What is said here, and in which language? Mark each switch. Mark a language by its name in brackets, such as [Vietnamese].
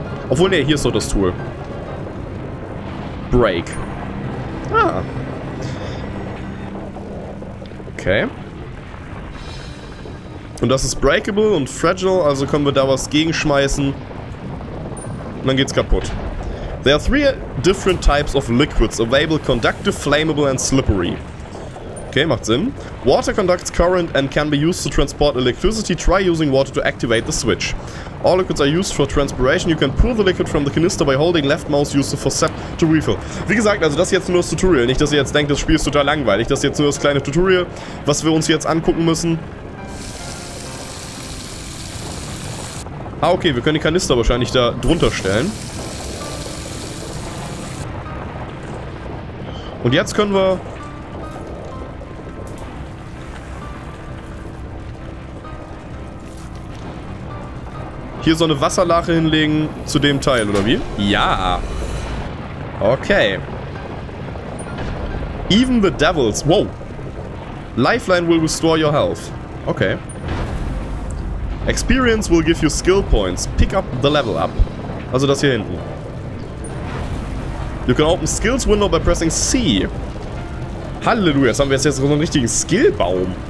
[German] Obwohl, ne, hier ist doch das Tool. Break. Ah. Okay. Und das ist breakable und fragile, also können wir da was gegenschmeißen. Und dann geht's kaputt. [English] There are three different types of liquids available: conductive, flammable and slippery. Okay, [German] macht Sinn. [English] Water conducts current and can be used to transport electricity. Try using water to activate the switch. All liquids are used for transpiration. You can pull the liquid from the canister by holding left mouse use the faucet to refill. [German] Wie gesagt, also das ist jetzt nur das Tutorial. Nicht, dass ihr jetzt denkt, das Spiel ist total langweilig. Das ist jetzt nur das kleine Tutorial, was wir uns jetzt angucken müssen. Ah, okay, wir können die Kanister wahrscheinlich da drunter stellen. Und jetzt können wir... hier so eine Wasserlache hinlegen zu dem Teil, oder wie? Ja. Okay. [English] Even the devils... Wow. Lifeline will restore your health. Okay. Experience will give you skill points. Pick up the level up. [German] Also das hier hinten. [English] You can open skills window by pressing C. [German] Halleluja, jetzt haben wir jetzt so einen richtigen Skillbaum.